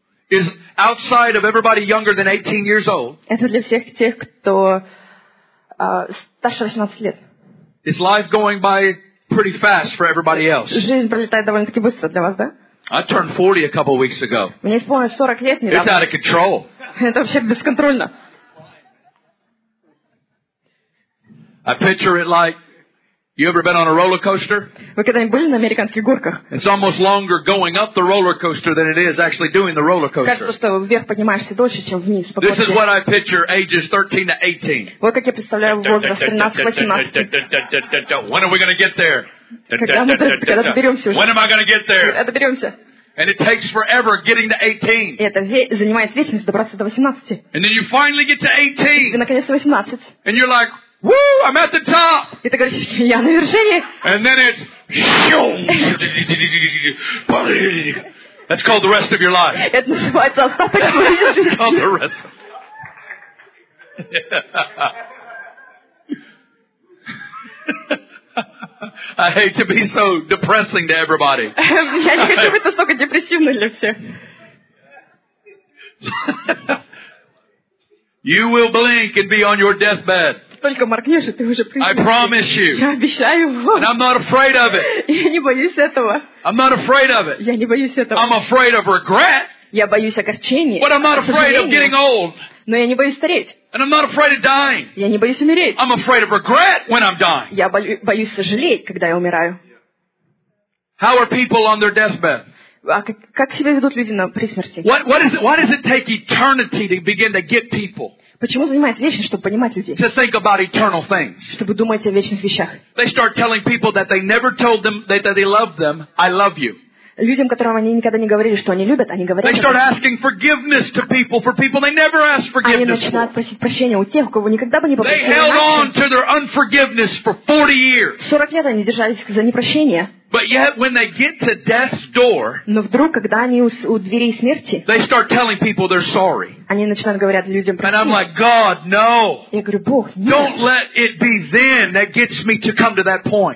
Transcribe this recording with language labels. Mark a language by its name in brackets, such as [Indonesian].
[English] Is outside of everybody younger than 18 years old. [Russian] Это для всех тех, кто старше 18 лет. [English] Is life going by pretty fast for everybody else? [Russian] Жизнь пролетает довольно-таки быстро для вас, да? [English] I turned 40 a couple weeks ago. [Russian] Мне исполнилось 40 лет недавно. [English] It's out of control. [Russian] Это вообще бесконтрольно. [English] I picture it like. You ever been on a roller coaster? [Russian] Вы когда-нибудь были на американских горках? [English] It's almost longer going up the roller coaster than it is actually doing the roller coaster. [Russian] Кажется, что вверх поднимаешься дольше, чем вниз. [English] This is what I picture ages 13 to 18. [Russian] Вот как я представляю возраст 13-18. [English] When are we going to get there? [Russian] Когда доберемся уже? [English] When am I going to get there? [Russian] Когда доберемся? [English] And it takes forever getting to 18. [Russian] И это занимает вечность добраться до 18. [English] And then you finally get to 18. [Russian] И наконец-то 18. [English] And you're like. Woo! I'm at the top. [Russian] И ты говоришь, я на вершине. [English] And then it's that's called the rest of your life. [Russian] Это называется остаток твоей жизни. [English] It's called the rest. I hate to be so depressing to everybody. [Russian] Я не хочу быть настолько депрессивным для всех. [English] You will blink and be on your deathbed. [Russian] Только моргнешь, и ты уже при. [English] I promise you. [Russian] Я обещаю вам. [English] And I'm not afraid of it. [Russian] Я не боюсь этого. [English] I'm not afraid of it. [Russian] Я не боюсь этого. [English] I'm afraid of regret. [Russian] Я боюсь огорчения. [English] But I'm not afraid of getting old. [Russian] Но я не боюсь стареть. [English] And I'm not afraid of dying. [Russian] Я не боюсь умереть. [English] I'm afraid of regret when I'm dying. [Russian] Я боюсь сожалеть, когда я умираю. [English] How are people on their deathbed? [Russian] Как себя ведут люди на при смерти? [English] What does it take eternity to begin to get people? [Russian] Почему занимается вечность, чтобы понимать людей? [English] To think about eternal things. [Russian] Чтобы думать о вечных вещах. [English] They start telling people that they never told them that they love them. I love you. [Russian] Людям, которым они никогда не говорили, что они любят, они говорят. [English] They start asking forgiveness to people for people they never asked forgiveness. [Russian] Они начинают просить прощения у тех, у кого никогда бы не попросили. [English] They held on to their unforgiveness for 40 years. [Russian] 40 лет они держались за непрощение. [English] But yet, when they get to death's door, [Russian] но вдруг, когда они у дверей смерти, [English] they start telling people they're sorry. [Russian] Они начинают говорить людям прости. [English] And I'm like, God, no. [Russian] Я говорю, Бог, нет. [English] Don't let it be then that gets me to come to that point.